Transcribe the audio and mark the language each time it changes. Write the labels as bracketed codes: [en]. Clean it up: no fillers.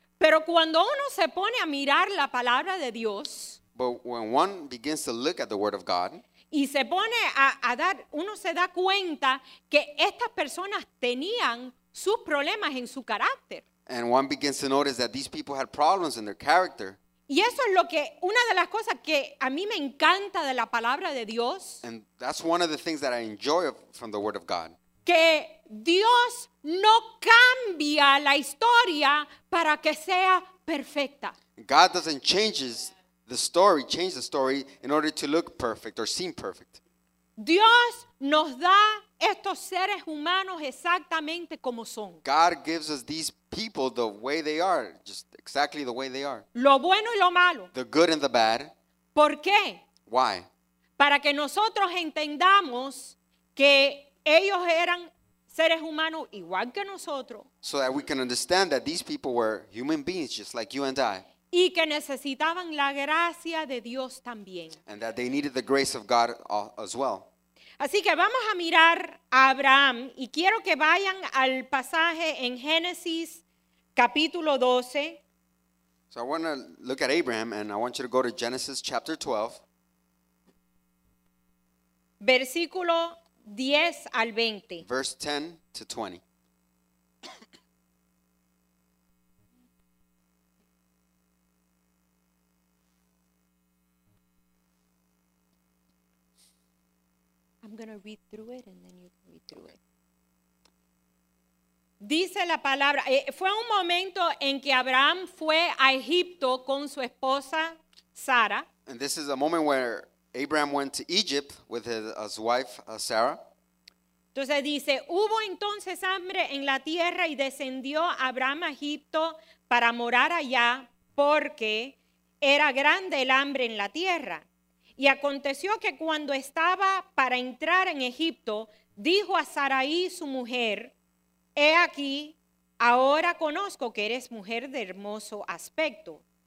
[es] Pero cuando uno se pone a mirar la palabra de Dios, [en] but when one begins to look at the word of God, [es] y se pone a dar, uno se da cuenta que estas personas tenían sus problemas en su carácter. [en] And one begins to notice that these people had problems in their character. [es] Y eso es lo que, una de las cosas que a mí me encanta de la palabra de Dios. [en] And that's one of the things that I enjoy from the word of God. [es] Que Dios no cambia la historia para que sea perfecta. [en] God doesn't change the story in order to look perfect or seem perfect. [es] Dios nos da estos seres humanos exactamente como son. [en] God gives us these people the way they are, just exactly the way they are. [es] Lo bueno y lo malo. [en] The good and the bad. [es] ¿Por qué? [en] Why? [es] Para que nosotros entendamos que ellos eran seres humanos igual que nosotros. [en] So that we can understand that these people were human beings just like you and I. [es] Y que necesitaban la gracia de Dios también. [en] And that they needed the grace of God as well. [es] Así que vamos a mirar a Abraham y quiero que vayan al pasaje en Génesis capítulo 12. [en] So I want to look at Abraham and I want you to go to Genesis chapter 12. [es] Versículo 10 al 20. [en] Verse 10 to 20. I'm going to read through it and then you can read through it. [es] Dice la palabra, fue un momento en que Abraham fue a Egipto con su esposa Sara. [en] And this is a moment where Abraham went to Egypt with his wife Sarah. [es] Entonces dice, hubo entonces hambre en la tierra y descendió Abraham a Egipto para morar allá porque era grande el hambre en la tierra. Y aconteció que cuando estaba para entrar en Egipto, dijo a Sarai su mujer, he aquí, ahora conozco que eres mujer de hermoso aspecto.